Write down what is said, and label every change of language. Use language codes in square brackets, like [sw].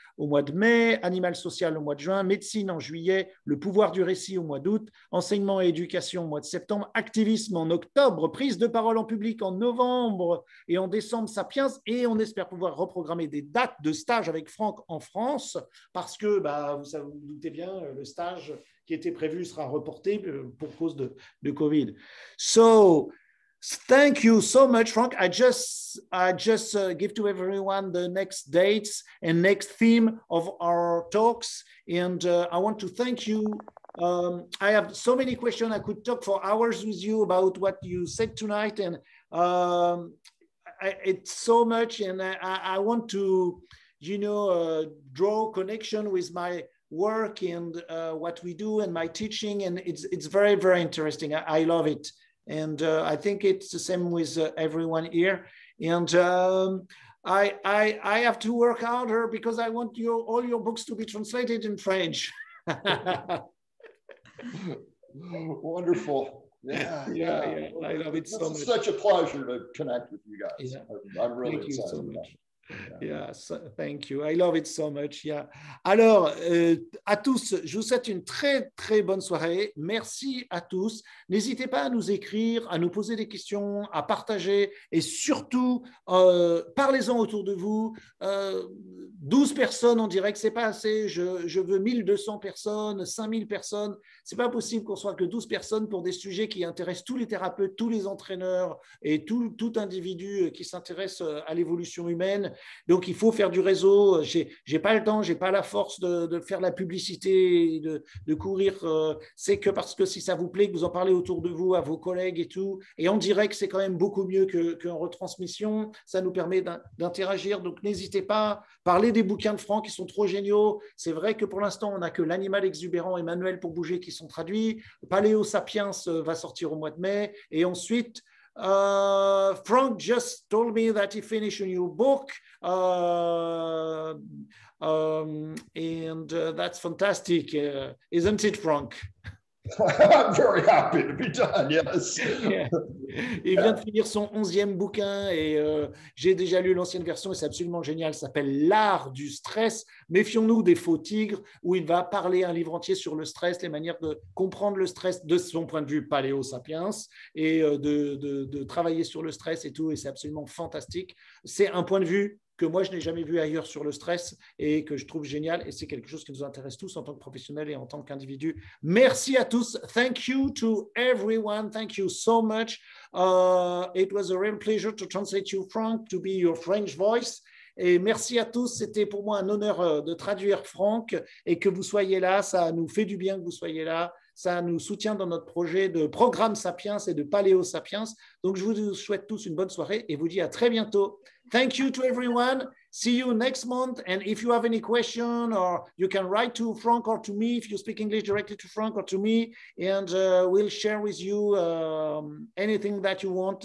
[fr] au mois de mai, animal social au mois de juin, médecine en juillet, le pouvoir du récit au mois d'août, enseignement et éducation au mois de septembre, activisme en octobre, prise de parole en public en novembre et en décembre, Sapiens, et on espère pouvoir reprogrammer des dates de stage avec Franck en France, parce que bah, vous vous doutez bien, le stage qui était prévu sera reporté pour cause de Covid. [en] So, thank you so much, Frank. I just give to everyone the next dates and next theme of our talks. And I want to thank you. I have so many questions. I could talk for hours with you about what you said tonight. And it's so much. And I want to, you know, draw connection with my work and what we do and my teaching. And it's very, very interesting. I love it. And I think it's the same with everyone here. And I have to work harder because I want all your books to be translated in French. Wonderful. Yeah. I love it so much. It's such a pleasure to connect with you guys. Yeah. I'm really thank excited you so much. Yeah, so, thank you. I love it so much. Yeah. [fr] Alors, à tous, je vous souhaite une très, très bonne soirée. Merci à tous. N'hésitez pas à nous écrire, à nous poser des questions, à partager et surtout, parlez-en autour de vous. 12 personnes en direct, ce n'est pas assez. Je veux 1200 personnes, 5000 personnes. Ce n'est pas possible qu'on soit que 12 personnes pour des sujets qui intéressent tous les thérapeutes, tous les entraîneurs et tout individu qui s'intéresse à l'évolution humaine. Donc il faut faire du réseau, j'ai pas le temps, j'ai pas la force de faire la publicité, de courir, c'est que parce que si ça vous plaît, que vous en parlez autour de vous, à vos collègues et tout, et en direct c'est quand même beaucoup mieux qu'en retransmission, ça nous permet d'interagir, donc n'hésitez pas, parlez des bouquins de Franck qui sont trop géniaux, c'est vrai que pour l'instant on n'a que L'animal exubérant et Manuel pour bouger qui sont traduits, Paléo Sapiens va sortir au mois de mai, et ensuite... [en] Frank just told me that he finished a new book and that's fantastic, isn't it, Frank? I'm very happy to be done, yes. [fr] Il vient de finir son 11e bouquin et j'ai déjà lu l'ancienne version et c'est absolument génial. Ça s'appelle L'art du stress. Méfions-nous des faux tigres où il va parler un livre entier sur le stress, les manières de comprendre le stress de son point de vue paléo sapiens et de travailler sur le stress et tout. Et c'est absolument fantastique. C'est un point de vue que moi, je n'ai jamais vu ailleurs sur le stress et que je trouve génial. Et c'est quelque chose qui nous intéresse tous en tant que professionnels et en tant qu'individus. Merci à tous. [en] Thank you to everyone. Thank you so much. It was a real pleasure to translate you, Frank, to be your French voice. [fr] Et merci à tous. C'était pour moi un honneur de traduire Frank et que vous soyez là. Ça nous fait du bien que vous soyez là. Ça nous soutient dans notre projet de programme Sapiens et de Paléo Sapiens. Donc, je vous souhaite tous une bonne soirée et vous dis à très bientôt. [en] Thank you to everyone. See you next month. And if you have any question, or you can write to Frank or to me, if you speak English directly to Frank or to me, and we'll share with you anything that you want.